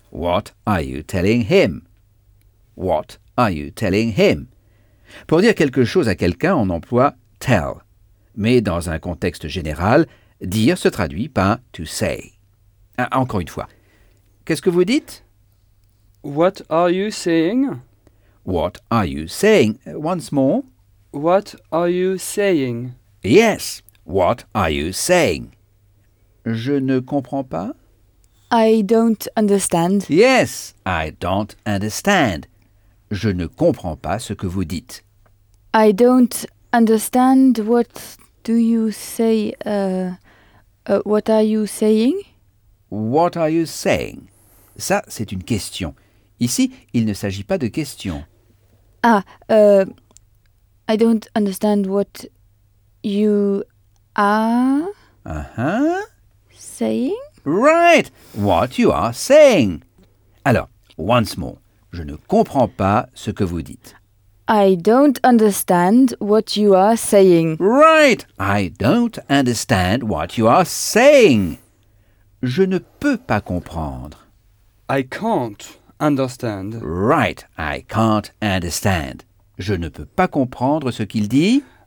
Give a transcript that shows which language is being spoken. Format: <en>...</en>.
<en>What are you telling him? What are you telling him?</en> <fr>Pour dire quelque chose à quelqu'un, on emploie tell. Mais dans un contexte général, dire se traduit par to say. Encore une fois, Qu'est-ce que vous dites?</fr> <en>What are you saying? What are you saying? Once more. What are you saying? Yes, what are you saying?</en> <fr>Je ne comprends pas.</fr> <en>I don't understand. Yes, I don't understand.</en> <fr>Je ne comprends pas ce que vous dites.</fr> <en>I don't understand. What do you say? What are you saying? What are you saying?</en> <fr>Ça, c'est une question. Ici, il ne s'agit pas de question.</fr> <en>Ah, I don't understand what you are saying. Right, what you are saying.</en> <fr>Alors,</fr> <en>once more,</en> <fr>je ne comprends pas ce que vous dites.</fr> <en>I don't understand what you are saying. Right, I don't understand what you are saying.</en> <fr>Je ne peux pas comprendre.</fr> <en>I can't understand. Right, I can't understand.</en> <fr>Je ne peux pas comprendre ce qu'il dit.</fr>